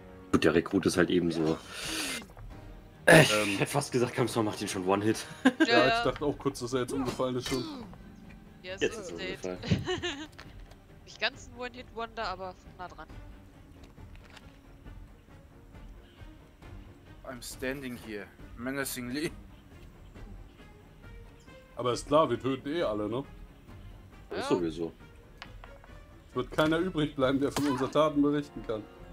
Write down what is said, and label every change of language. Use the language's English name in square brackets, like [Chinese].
[German] Gut, der Rekrut ist halt ebenso. Ich hätte fast gesagt, Kampfsau macht ihn schon One-Hit. Ja, ja, ich dachte auch kurz, dass er jetzt umgefallen ist schon. Yes, jetzt ist dead. Nicht ganz ein One-Hit-Wonder, aber nah dran. [English] I'm standing here, menacingly. [German] Aber ist klar, wir töten eh alle, ne? Ja. Ist sowieso. Es wird keiner übrig bleiben, der von unseren Taten berichten kann.